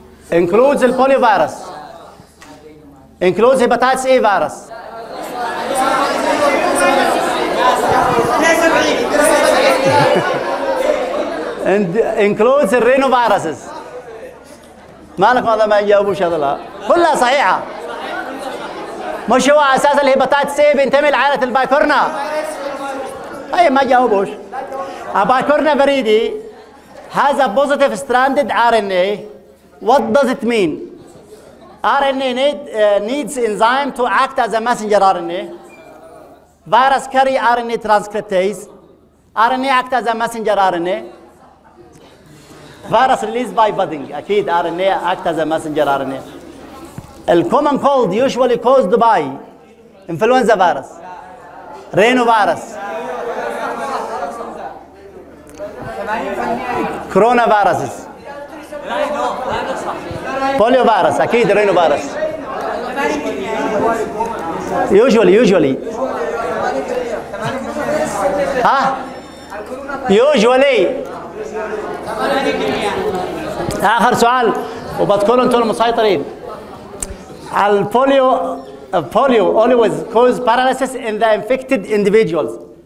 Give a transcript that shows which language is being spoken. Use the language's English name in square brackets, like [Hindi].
[English] Includes the polyvirus. Includes hepatitis A virus. And includes the rhinoviruses. [Arabic] مالك هذا ما يجاوبوش هذا لا كلها صحيحة. مش هو أساس الهيباتيتس سي بينتمي لعائلة البايكورنا؟ أي ما يجاوبوش. [English] البايكورنا فريدي has a positive stranded RNA. What does it mean? RNA needs enzyme to act as a messenger RNA. Virus carry RNA transcriptase. RNA act as a messenger RNA. Virus released by budding. [Arabic] أكيد [English] RNA act as a messenger RNA. The common cold usually caused by influenza virus, rhinovirus, coronaviruses, polio virus. [Arabic] أكيد rhinovirus. [English] Usually. ها؟ usually. [Arabic] آخر سؤال وبتكونوا انتم المسيطرين. [English] البوليو البوليو always cause paralysis in the infected individuals.